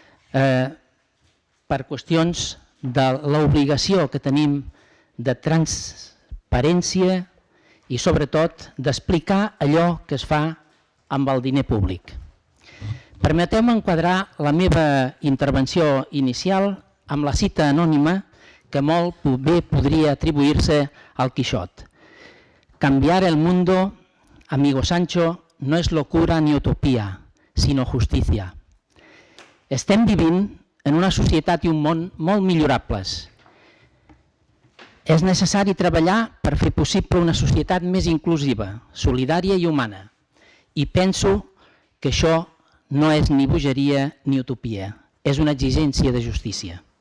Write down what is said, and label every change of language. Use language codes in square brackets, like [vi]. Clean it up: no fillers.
[ca] Per qüestions de l'obligació que tenim de transparència i sobretot d'explicar allò que es fa amb el diner públic. Permeteu-me enquadrar la meva intervenció inicial amb la cita anònima que molt bé podria atribuir-se al Quixot. [es] Cambiar el mundo, amigo Sancho, no es locura ni utopía, sino justicia. [ca] Estem vivint en una societat i un món molt millorables. És necessari treballar per fer possible una societat més inclusiva, solidària i humana. I penso que això no és ni bogeria ni utopia, és una exigència de justícia.